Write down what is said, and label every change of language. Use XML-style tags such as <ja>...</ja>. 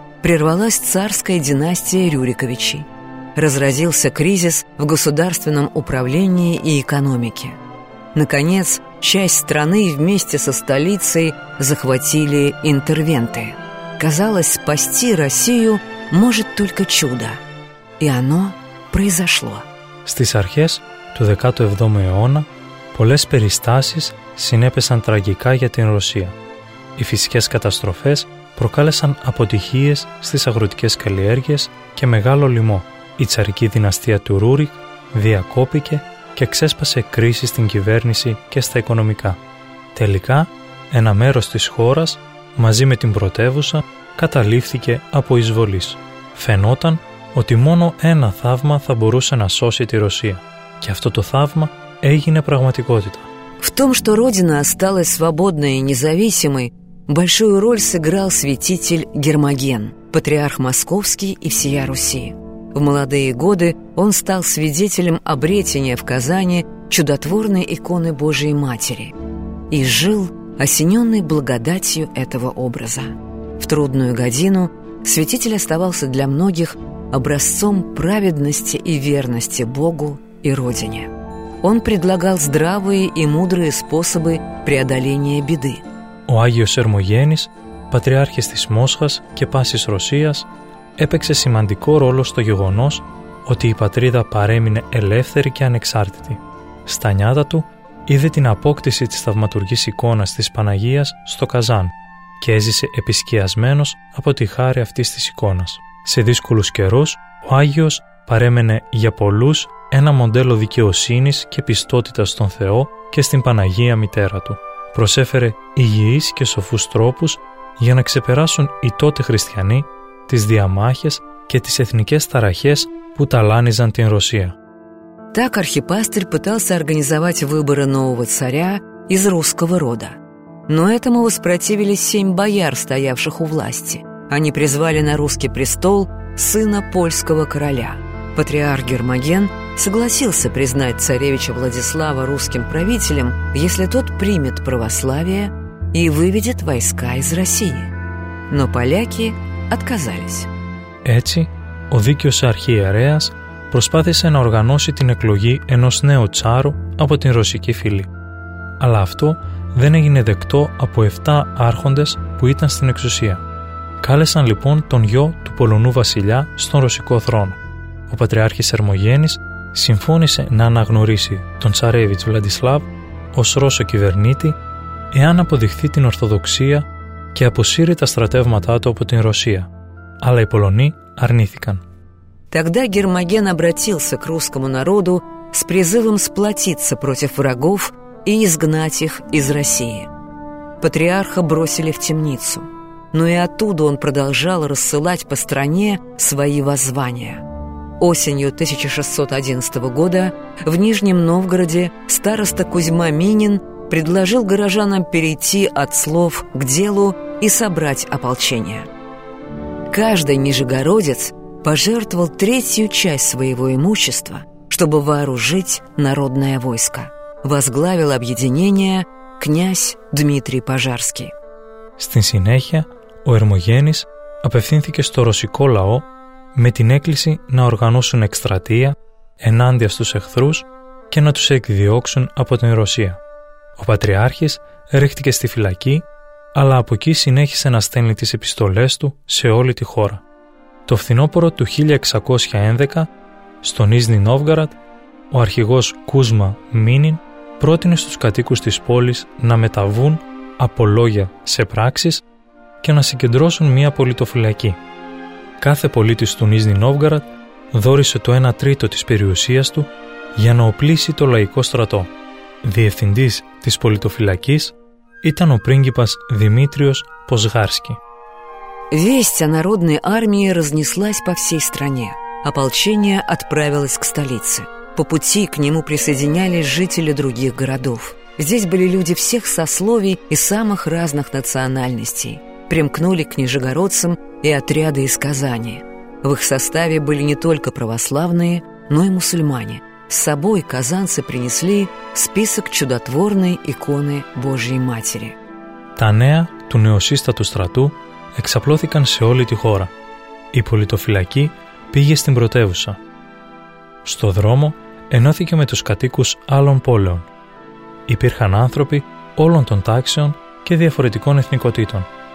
<ru>Прервалась царская династия Рюриковичей. Разразился кризис в государственном управлении и экономике. Наконец, часть страны вместе со столицей захватили интервенты. Казалось, спасти Россию может только чудо. И оно произошло.</ru> <el>Στις αρχές του 17ου αιώνα, πολλές περιστάσεις συνέπεσαν τραγικά για την Ρωσία. Οι φυσικές καταστροφές προκάλεσαν αποτυχίες στις αγροτικές καλλιέργειες και μεγάλο λοιμό. Η τσαρική δυναστεία του Ρούρικ διακόπηκε και ξέσπασε κρίση στην κυβέρνηση και στα οικονομικά. Τελικά, ένα μέρος της χώρας, μαζί με την πρωτεύουσα, καταλήφθηκε από εισβολής. Φαινόταν ότι μόνο ένα θαύμα θα μπορούσε να σώσει τη Ρωσία. Και αυτό το θαύμα έγινε πραγματικότητα.</el> <ru>В том, что Родина осталась свободной и независимой, большую роль сыграл святитель Гермоген, патриарх московский и всея Руси. В молодые годы он стал свидетелем обретения в Казани чудотворной иконы Божией Матери и жил, осененный благодатью этого образа. В трудную годину святитель оставался для многих образцом праведности и верности Богу и Родине. Он предлагал здравые и мудрые способы преодоления беды.</ru> <el>Ο Άγιος Ερμογέννης, πατριάρχης της Μόσχας και πάσης Ρωσίας, έπαιξε σημαντικό ρόλο στο γεγονός ότι η πατρίδα παρέμεινε ελεύθερη και ανεξάρτητη. Στα νιάτα του είδε την απόκτηση της θαυματουργής εικόνας της Παναγίας στο Καζάν και έζησε επισκιασμένος από τη χάρη αυτής της εικόνας. Σε δύσκολους καιρούς, ο Άγιος παρέμενε για πολλούς ένα μοντέλο δικαιοσύνης και πιστότητας στον Θεό και στην Παναγία Μητέρα του. Προσέφερε υγιείς και σοφούς τρόπους για να ξεπεράσουν οι τότε χριστιανοί τις διαμάχες και τις εθνικές ταραχές που ταλάνιζαν την Ρωσία.</el> <ru>Так архипастырь пытался организовать выборы нового царя из русского рода. Но этому воспротивились 7 бояр, стоявших у власти. Они призвали на русский престол сына польского короля. Патриарх Гермоген согласился признать царевича Владислава русским правителем, если тот примет православие и выведет войска из России. Но поляки отказались.</ru> <el>Έτσι, ο δίκαιος αρχιερέας προσπάθησε να οργανώσει την εκλογή ενός νέου τσάρου από την ρωσική φυλή. Αλλά αυτό δεν έγινε δεκτό από 7 άρχοντες που ήταν στην εξουσία. Κάλεσαν λοιπόν τον γιο του Πολωνού βασιλιά στον ρωσικό θρόνο. Ο πατριάρχης Ερμογέννης συμφώνησε να αναγνωρίσει τον τσαρέβιτς Βλαντισλάβ ως Ρώσο κυβερνήτη εάν αποδειχθεί την Ορθοδοξία και αποσύρει τα στρατεύματά του από την Ρωσία. Αλλά οι Πολωνοί αρνήθηκαν.</el> <ru>Тогда Гермоген обратился к русскому народу с призывом сплотиться против врагов и изгнать их из России. Патриарха бросили в темницу, но и оттуда он продолжал рассылать по стране свои воззвания. Осенью 1611 года в Нижнем Новгороде староста Кузьма Минин предложил горожанам перейти от слов к делу и собрать ополчение. Каждый нижегородец пожертвовал третью часть своего имущества, чтобы вооружить народное войско. Возглавил объединение князь Дмитрий Пожарский.</ru> <el>Στην συνέχεια, ο Ερμογέννης απευθύνθηκε στο ρωσικό λαό με την έκκληση να οργανώσουν εκστρατεία ενάντια στους εχθρούς και να τους εκδιώξουν από την Ρωσία. Ο Πατριάρχης ρίχτηκε στη φυλακή, αλλά από εκεί συνέχισε να στέλνει τις επιστολές του σε όλη τη χώρα. Το φθινόπωρο του 1611, στο Νίζνη Νόβγαρατ, ο αρχηγός Κούσμα Μίνιν πρότεινε στους κατοίκους της πόλης να μεταβούν από λόγια σε πράξεις και να συγκεντρώσουν μία πολιτοφυλακή. Κάθε πολίτης του Νίζνη Νόβγαρατ δόρισε το 1/3 της περιουσίας του για να οπλίσει το λαϊκό στρατό. Διευθυντής της πολιτοφυλακής ήταν ο πρίγκιπας Δημήτριος Ποσγάρσκι.</el> <ru>Весть о народной армии разнеслась по всей стране. Ополчение отправилось к столице. По пути к нему присоединялись жители других городов. Здесь были люди всех сословий и самых разных национальностей. Примкнули к нижегородцам и отряды из Казани. В их составе были не только православные, но и мусульмане. С собой казанцы принесли список чудотворной иконы Божьей Матери.</ru> <el>Та неа ту неосистату страту εξαπλώθηκαν σε όλη τη χώρα. Η πολιτοφυλακή πήγε στην πρωτεύουσα. Στο δρόμο ενώθηκε με τους κατοίκους άλλων πόλεων. Υπήρχαν άνθρωποι όλων των τάξεων και διαφορετικών εθνικοτήτων.</el>